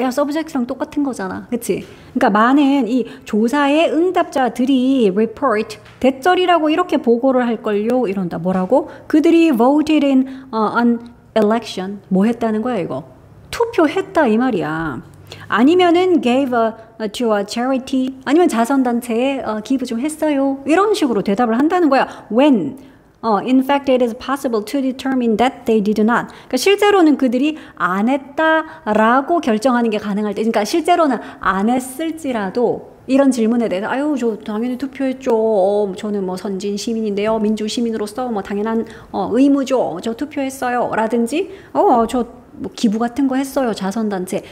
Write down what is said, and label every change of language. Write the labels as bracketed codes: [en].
[ko] 야, 서브젝트랑 똑같은 거잖아. 그치? 그러니까 많은 이 조사의 응답자들이 report 대절이라고 이렇게 보고를 할 걸요. 이런다. 뭐라고? 그들이 [en] voted in an election. [ko] 뭐 했다는 거야, 이거? 투표했다 이 말이야. 아니면은 [en] gave to a charity, [ko] 아니면 자선단체에 기부 좀 했어요. 이런 식으로 대답을 한다는 거야. [en] When, in fact, it is possible to determine that they did not. [ko] 그러니까 실제로는 그들이 안 했다라고 결정하는 게 가능할 때, 그러니까 실제로는 안 했을지라도 이런 질문에 대해서, 아유, 저 당연히 투표했죠. 저는 뭐 선진 시민인데요. 민주 시민으로서 뭐 당연한 의무죠. 저 투표했어요. 라든지, 저뭐 기부 같은 거 했어요, 자선단체.